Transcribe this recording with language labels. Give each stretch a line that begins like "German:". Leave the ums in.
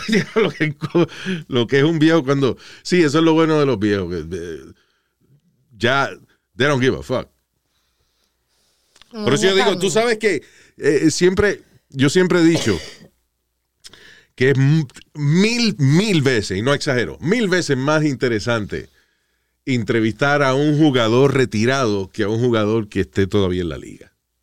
Spanish: pero lo que, lo que, es un viejo cuando. Sí, eso es lo bueno de los viejos. Ya de, ya,
English: they don't give a fuck.
Spanish: Pero mm, si yo digo, también. tú sabes que eh, siempre, yo siempre he dicho que es mil, mil veces, y no exagero, mil veces más interesante entrevistar a un jugador retirado que a un jugador que esté todavía en la liga.